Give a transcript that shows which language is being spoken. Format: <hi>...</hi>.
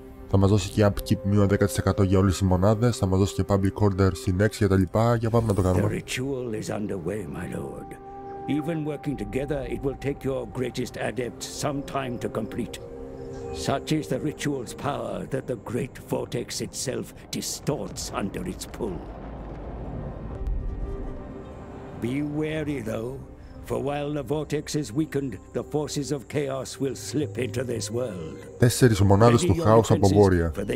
<el>Θα μας δώσει και upkeep μείον 10% για όλες τις μονάδες, θα μας δώσει και public order στην 6 και τα λοιπά, για πάμε να το κάνουμε. Το</el> <en>ritual is underway, my lord. Even working together, it will take your greatest adept some time to complete. Such is the ritual's power that the great vortex itself distorts under its pull. Be wary though, for while the vortex is weakened, the forces of chaos will slip into this world.</en> <el>Τέσσερις μονάδες του χάους από βόρεια.</el>